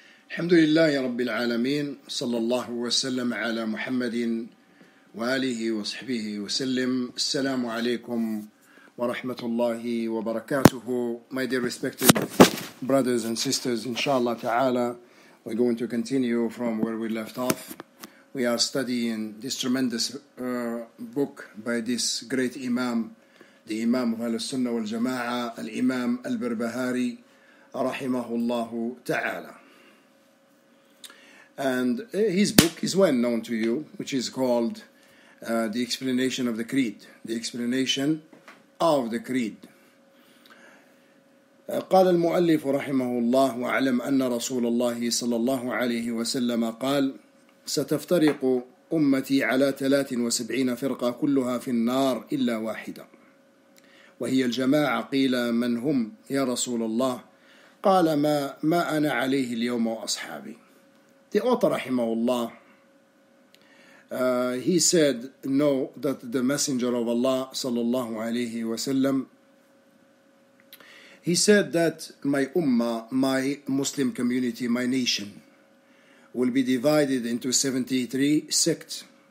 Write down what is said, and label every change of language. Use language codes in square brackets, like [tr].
[ar] الحمد لله رب العالمين، صلى الله وسلم على محمد وآله وصحبه وسلم. السلام عليكم ورحمة الله وبركاته. [en] My dear respected brothers and sisters, inshallah ta'ala, we're going to continue from where we left off. We are studying this tremendous book by this great imam, the imam of al-sunnah wal-jama'ah, al-imam al-barbahari, rahimahullahu ta'ala. And his book is well known to you, which is called The Explanation of the Creed. The Explanation of the Creed. [ar] قال المؤلف رحمه الله وعلم أن رسول الله صلى الله عليه وسلم قال ستفترق أمتي على 73 فرقة كلها في النار إلا واحدة وهي الجماعة. قيل من هم يا رسول الله؟ قال ما أنا عليه اليوم وأصحابي. [en] The author, rahimahullah, he said, know that the Messenger of Allah, sallallahu alayhi wa sallam, he said that my ummah, my Muslim community, my nation, will be divided into 73 sects.